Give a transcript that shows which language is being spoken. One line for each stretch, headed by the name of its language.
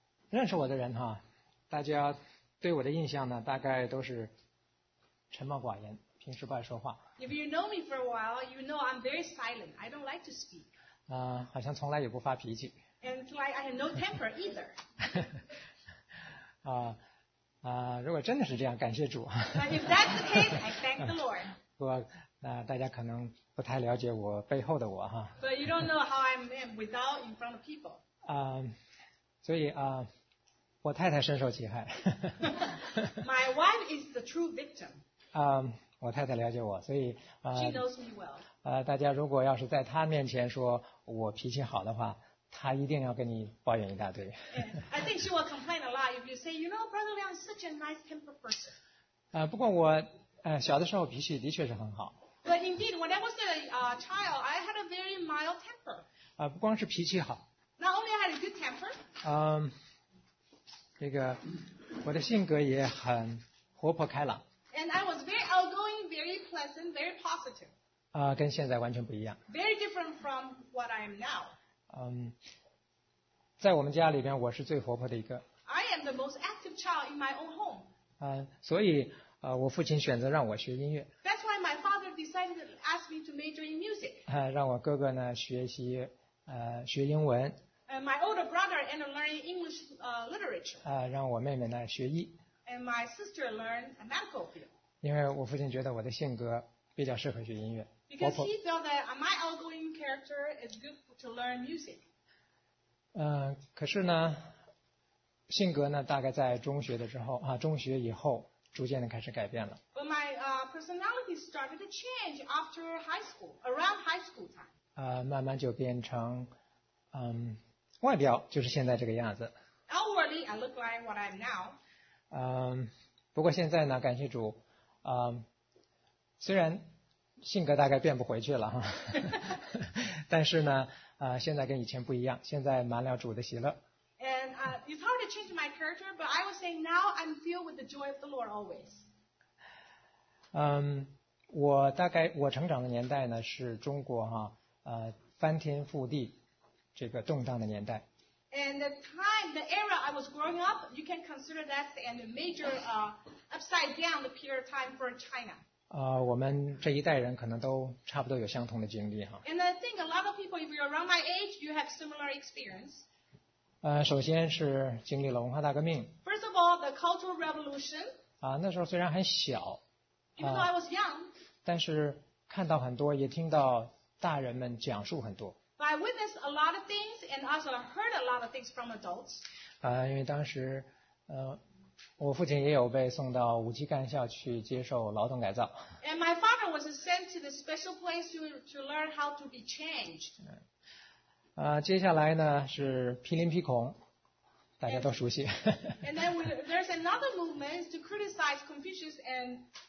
Chinese: 认识我的人哈，大家对我的印象呢，大概都是沉默寡言，平时不爱说话。
English: If you know me for a while, you know I'm very silent. I don't like to speak.
Chinese: 好像从来也不发脾气。
English: And it's like I have no temper either.
Chinese: 如果真的是这样，感谢主。
English: But if that's the case, I thank the Lord.
Chinese: 不过，大家可能不太了解我背后的我哈。
English: But you don't know how I am without in front of people.
Chinese: 所以啊，我太太深受其害。
English: My wife is the true victim.
Chinese: 我太太了解我，所以
English: She knows me well.
Chinese: 大家如果要是在她面前说我脾气好的话，她一定要跟你抱怨一大堆。
English: Yeah, I think she will complain a lot if you say, you know, Brother Liang is such a nice tempered person.
Chinese: 不过我小的时候脾气的确是很好。
English: But indeed, when I was a child, I had a very mild temper.
Chinese: 不光是脾气好。
English: Not only I had a good temper.
Chinese: 这个我的性格也很活泼开朗。
English: And I was very outgoing, very pleasant, very positive.
Chinese: 跟现在完全不一样。
English: Very different from what I am now.
Chinese: 在我们家里边，我是最活泼的一个。
English: I am the most active child in my own home.
Chinese: 所以我父亲选择让我学音乐。
English: That's why my father decided to ask me to major in music.
Chinese: 让我哥哥呢学习。学英文。
English: And my older brother ended up learning English literature.
Chinese: 让我妹妹呢学医。
English: And my sister learned a medical field.
Chinese: 因为我父亲觉得我的性格比较适合学音乐。
English: Because he felt that my outgoing character is good to learn music.
Chinese: 可是呢，性格呢大概在中学的时候啊，中学以后逐渐的开始改变了。
English: But my personality started to change after high school, around high school time.
Chinese: 慢慢就变成，外表就是现在这个样子。
English: Outwardly, I look like what I am now.
Chinese: 不过现在呢，感谢主，虽然性格大概变不回去了哈，但是呢，现在跟以前不一样，现在满了主的喜乐。
English: And it's hard to change my character, but I was saying now I'm filled with the joy of the Lord always.
Chinese: 我成长的年代呢是中国哈，翻天覆地这个动荡的年代。
English: And the era I was growing up, you can consider that the major upside down the period of time for China.
Chinese: 我们这一代人可能都差不多有相同的经历哈。
English: And I think a lot of people, if you're around my age, you have similar experience.
Chinese: 首先是经历了文化大革命。
English: First of all, the Cultural Revolution.
Chinese: 那时候虽然很小。
English: Even though I was young.
Chinese: 但是看到很多，也听到大人们讲述很多。
English: But I witnessed a lot of things and also heard a lot of things from adults.
Chinese: 因为当时，我父亲也有被送到五七干校去接受劳动改造。
English: And my father was sent to the special place to learn how to be changed.
Chinese: 接下来呢是批林批孔，大家都熟悉。
English: And then there's another movement to criticize Confucius and